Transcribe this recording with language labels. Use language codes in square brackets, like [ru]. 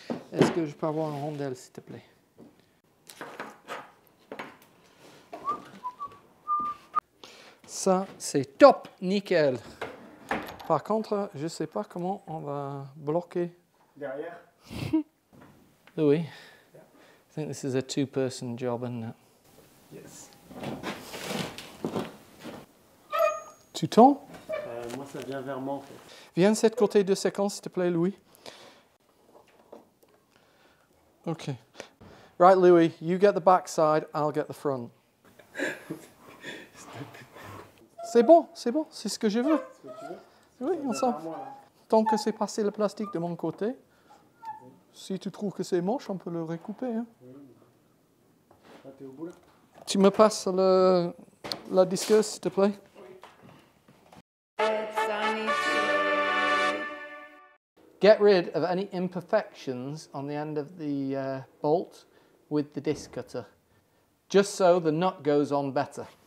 [fr] Est-ce que je peux avoir une rondelle, s'il te plaît? Ça, c'est top, nickel. Par contre, je ne sais pas comment on va bloquer. Derrière. [en] Louis, yeah. I think this is a two-person job, isn't it? Yes. [fr] Tu tends? Moi, ça vient vers moi, en fait. Viens de cette côté de séquence, s'il te plaît, Louis. [en] OK. Right, Louis, you get the back side, I'll get the front. [fr] C'est bon, c'est ce que je veux. C'est ce que tu veux. Oui, on sent. Tant que c'est passé le plastique de mon côté, si tu trouves que c'est moche, on peut le recouper. Hein. Là, t'es au bout, là. Tu me passes la disqueuse, s'il te plaît. [en] Get rid of any imperfections on the end of the bolt with the disc cutter, just so the nut goes on better.